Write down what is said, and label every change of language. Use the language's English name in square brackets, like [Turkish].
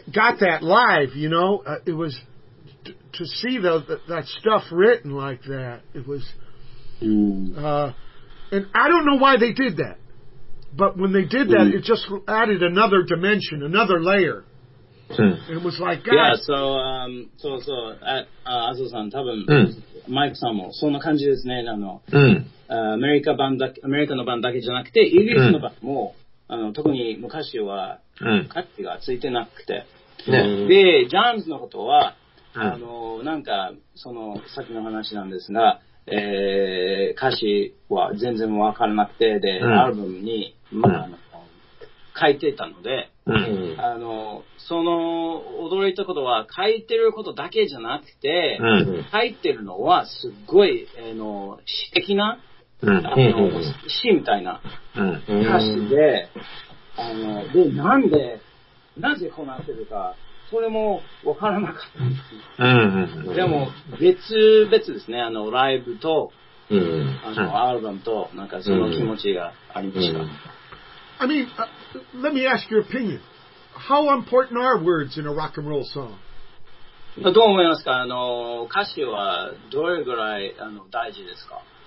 [English] Got that live, you know. It was to see that stuff written like that. It was, and I don't know why they did that, but when they did that, it just added another dimension, another layer. Mm. It was like, God. Yeah. So, so [Japanese] Azo-san, 多分 Mike さんもそんな感じですね。あの、アメリカのバンドだけじゃなくてイギリスのバンドも。あの特に昔は、うん、価値がついてなくて、ね、でジャーンズのことは、うん、あのなんかその先の話なんですが、歌詞は全然分からなくてで、うん、アルバムに、まあ、あの書いてたので、うん、あのその驚いたことは書いてることだけじゃなくて、うん、書いてるのはすごい、詩的な詩みたいな歌詞で、うん、あのでなんでなぜこうなってるかそれも分からなかったんです、うん、でも別々ですね、あのライブと、うん、あのアルバムとなんかその気持ちがありました、うん、 [English] I mean, let me ask your opinion. How important are words in a rock and roll song? [Japanese] どう思いますか、あの歌詞はどれぐらいあの大事ですか。